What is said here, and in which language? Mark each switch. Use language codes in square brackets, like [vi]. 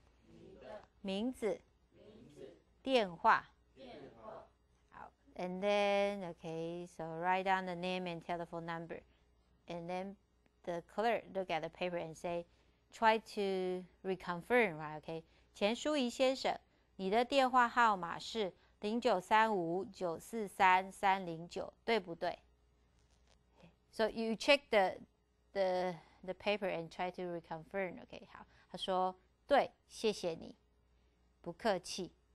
[zh] 你的。名字。名字。电话。电话。好。 [en] And then, okay, so write down the name and telephone number. And then the clerk look at the paper and say,Try to reconfirm, right? Okay. [zh] 钱淑仪先生，你的电话号码是0935-943-309，对不对？ [en] So you check the paper and try to reconfirm. Okay. [zh] 好，他说对，谢谢你，不客气。